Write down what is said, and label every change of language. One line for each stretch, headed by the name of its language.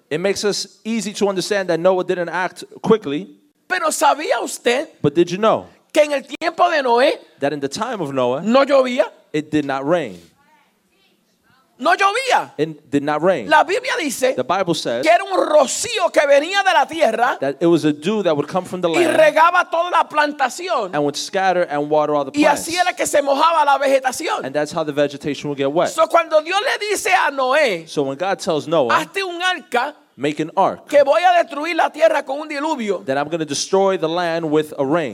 English: It makes us easy to understand that Noah didn't act quickly.
Spanish: Pero ¿sabía usted?
English: But did you know?
Spanish: Que en el tiempo de Noé,
English: that in the time of Noah,
Spanish: no llovía.
English: It did not rain.
Spanish: No llovía.
English: It did not rain.
Spanish: La Biblia dice,
English: the Bible says,
Spanish: que era un rocío que venía de la tierra,
English: that it was a dew that would come from the
Spanish: y
English: land,
Spanish: y regaba toda la plantación,
English: and would scatter and water all the plants,
Spanish: y así era que se mojaba la vegetación,
English: and that's how the vegetation would get wet.
Spanish: So cuando Dios le dice a Noé,
English: so when God tells Noah,
Spanish: hazte un arca,
English: make an ark,
Spanish: que voy a destruir la tierra con un diluvio,
English: that I'm going to destroy the land with a rain.